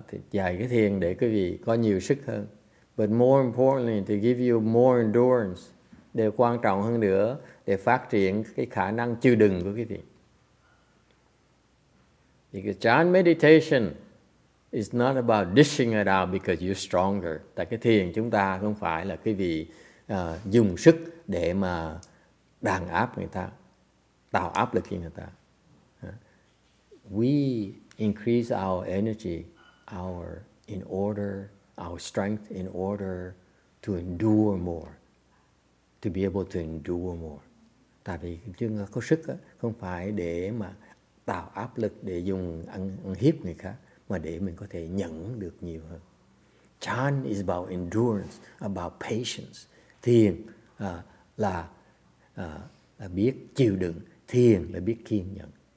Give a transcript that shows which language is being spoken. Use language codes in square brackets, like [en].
[vi] Dạy cái thiền để quý vị có nhiều sức hơn. [en] But more importantly, to give you more endurance. [vi] Để quan trọng hơn nữa, để phát triển cái khả năng chịu đựng của quý vị. [en] Because chan meditation is not about dishing it out because you're stronger. [vi] Tại cái thiền chúng ta không phải là quý vị dùng sức để mà đàn áp người ta, tạo áp lực cho người ta. [en] We increase our energy, our strength in order to endure more, to be able to endure more. [vi] Tại vì chúng ta có sức đó, không phải để mà tạo áp lực để dùng ăn hiếp người khác, mà để mình có thể nhẫn được nhiều hơn. [en] Chan is about endurance, about patience. [vi] Thiền là biết chịu đựng, thiền là biết kiên nhẫn.